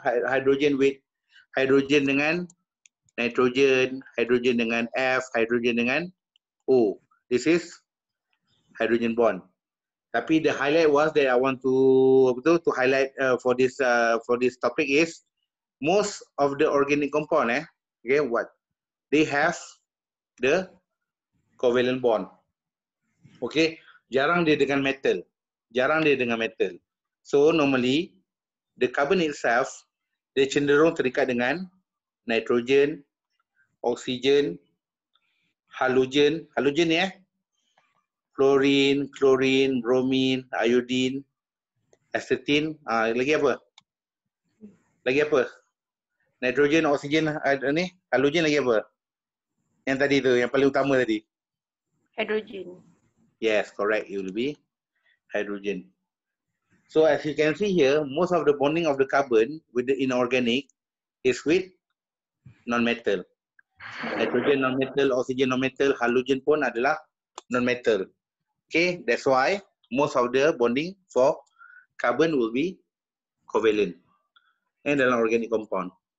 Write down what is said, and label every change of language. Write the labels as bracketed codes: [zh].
[ms] Hydrogen with, hydrogen dengan nitrogen, hydrogen dengan F, hydrogen dengan O. [en] This is hydrogen bond. Tapi the highlight was that I want to, [ms] apa tu, [en] to highlight for this topic is most of the organic compound, eh, okay, what? They have the covalent bond. [ms] Okay, jarang dia dengan metal. Jarang dia dengan metal. [en] So normally, the carbon itself, [ms] dia cenderung terikat dengan nitrogen, oksigen, halogen. Halogen ni eh. Fluorine, chlorine, bromine, iodine, acetin. Lagi apa? Lagi apa? Nitrogen, oksigen, ni? Halogen lagi apa? Yang tadi tu, yang paling utama tadi. [en] Hydrogen. Yes, correct. It will be hydrogen. So as you can see here, most of the bonding of the carbon with the inorganic is with non-metal. [ms] Nitrogen non-metal, oxygen non-metal, halogen pun adalah non-metal. [en] Okay, that's why most of the bonding for carbon will be covalent and dalam organic compound.